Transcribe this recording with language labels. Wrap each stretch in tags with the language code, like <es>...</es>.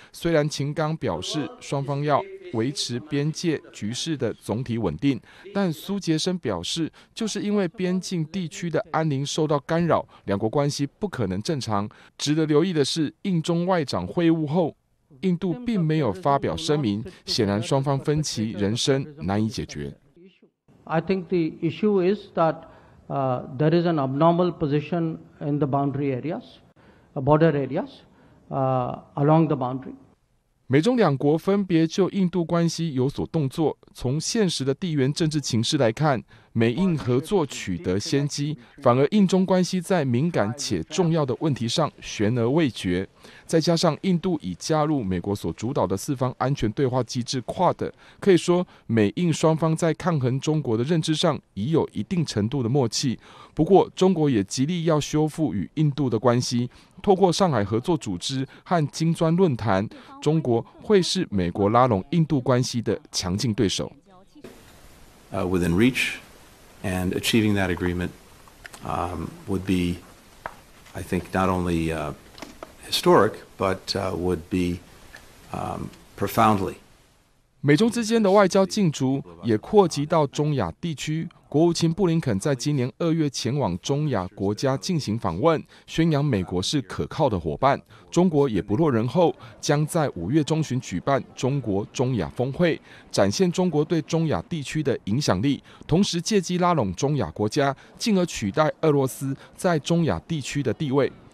<zh>虽然秦刚表示双方要维持边界局势的总体稳定，但苏杰生表示就是因为边境地区的安宁受到干扰，两国关系不可能正常。值得留意的是，印中外长会晤后印度并没有发表声明，显然双方分歧仍深，难以解决。</zh> <en>I think the issue is thatthere is an abnormal position in the boundary areas, border areas, along the boundary.</en> <zh>美中两国分别就印度关系有所动作。从现实的地缘政治情势来看，美印合作取得先机，反而印中关系在敏感且重要的问题上悬而未决。再加上印度已加入美国所主导的四方安全对话机制 QUAD， 可以说美印双方在抗衡中国的认知上已有一定程度的默契。不过中国也极力要修复与印度的关系，透过上海合作组织和金砖论坛，中国会是美国拉拢印度关系的强劲对手。</zh> <en>Within reach and achieving that agreement would be, I think, not only historic, but would be profoundly.</en> <zh>美中之间的外交竞逐也扩及到中亚地区。国务卿布林肯在今年二月前往中亚国家进行访问，宣扬美国是可靠的伙伴。中国也不落人后，将在五月中旬举办中国中亚峰会，展现中国对中亚地区的影响力，同时借机拉拢中亚国家，进而取代俄罗斯在中亚地区的地位。</zh>